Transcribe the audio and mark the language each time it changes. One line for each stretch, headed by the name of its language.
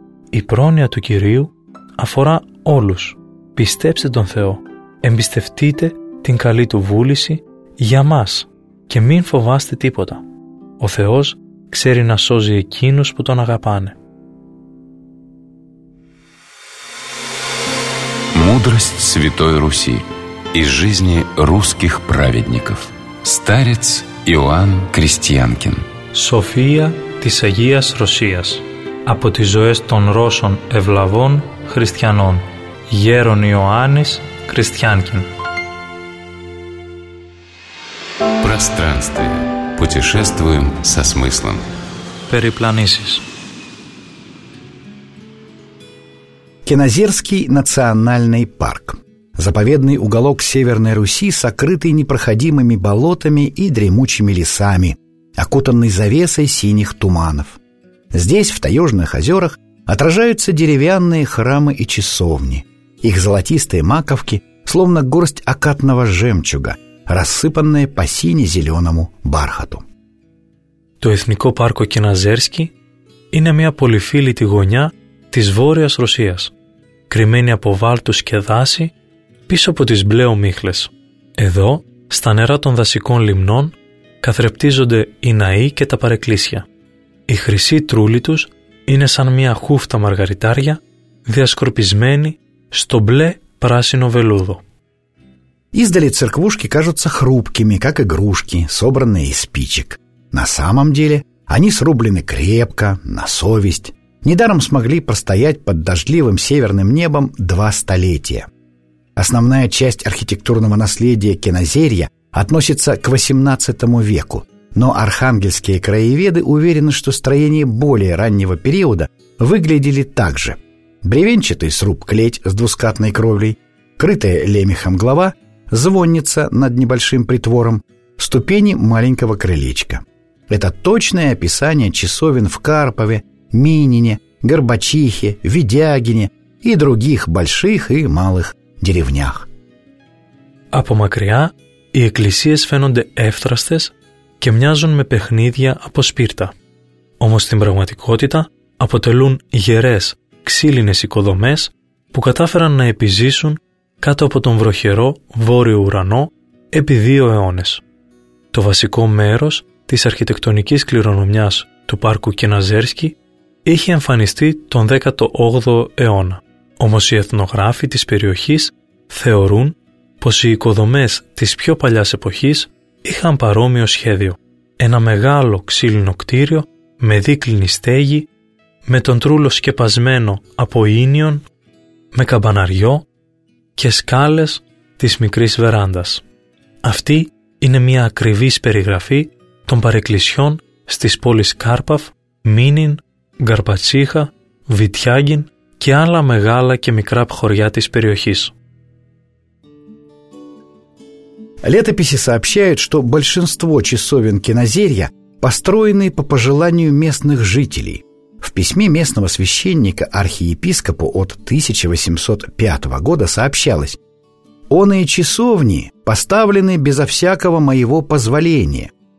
Greek: «Η πρόνοια του Κυρίου αφορά όλους. Πιστέψτε τον Θεό, εμπιστευτείτε την καλή του βούληση για μας και μην φοβάστε τίποτα. Ο Θεός ξέρει να σώζει εκείνους που τον αγαπάνε.
Russian: Мудрость Святой Руси из жизни русских праведников. Старец Иоанн Крестьянкин.
Greek: София της Αγίας Ρωσίας. Από τις ζωές των Ρώσων ευλαβών χριστιανών. Γέρον Ιωάννης Крестьянкин.
Russian: Пространствие. Путешествуем со смыслом.
Greek: Перепланисис.
Russian: Кеназерский национальный парк. Заповедный уголок Северной Руси, сокрытый непроходимыми болотами и дремучими лесами, окутанный завесой синих туманов. Здесь, в таежных озерах, отражаются деревянные храмы и часовни. Их золотистые маковки, словно горсть окатного жемчуга, рассыпанные по сине-зеленому бархату.
Greek: То Эθνικό Πάρκο Кеназерский είναι μια πολυφύλητη γωνιά της Βόρειας Ρωσίας. Κρυμμένη από βάλτους και δάση, πίσω από τις μπλε ομίχλες. Εδώ, στα νερά των δασικών λιμνών, καθρεπτίζονται οι ναοί και τα παρεκκλήσια. Η χρυσή τρούλη τους είναι σαν μια χούφτα μαργαριτάρια, διασκορπισμένη στο μπλε πράσινο βελούδο.
Russian: Издали церквушки кажутся хрупкими, как игрушки, собранные из спичек. На самом деле, они срублены крепко, на совесть. Недаром смогли простоять под дождливым северным небом 2 столетия. Основная часть архитектурного наследия Кеназерья относится к XVIII веку, но архангельские краеведы уверены, что строения более раннего периода выглядели так же. Бревенчатый сруб-клеть с двускатной кровлей, крытая лемехом глава, звонница над небольшим притвором, ступени маленького крылечка. Это точное описание часовен в Карпове, Минине, Горбачихе, Видягине и других больших и малых деревнях.
Greek: Από μακριά οι εκκλησίες φαίνονται εύθραστες και μοιάζουν με παιχνίδια από σπίρτα. Όμως στην πραγματικότητα αποτελούν γερές, ξύλινες οικοδομές που κατάφεραν να επιζήσουν κάτω από τον βροχερό βόρειο ουρανό επί 2 αιώνες. Το βασικό μέρος της αρχιτεκτονικής κληρονομιάς του πάρκου Κεναζέρσκι είχε εμφανιστεί τον 18ο αιώνα. Όμως οι εθνογράφοι της περιοχής θεωρούν πως οι οικοδομές της πιο παλιάς εποχής είχαν παρόμοιο σχέδιο. Ένα μεγάλο ξύλινο κτίριο με δίκλινη στέγη, με τον τρούλο σκεπασμένο από ίνιον, με καμπαναριό και σκάλες της μικρής βεράντας. Αυτή είναι μια ακριβής περιγραφή των παρεκκλησιών στις πόλεις Κάρπαφ, Μίνιν, Γκαρπατσίχα, Βιτιάγκιν και άλλα μεγάλα και μικρά χωριά της περιοχής.
Russian: Летописи сообщают, что большинство часовен Кеназерья построены по пожеланию местных жителей. В письме местного священника архиепископу от 1805 года сообщалось: «Оные часовни поставлены безо всякого моего позволения.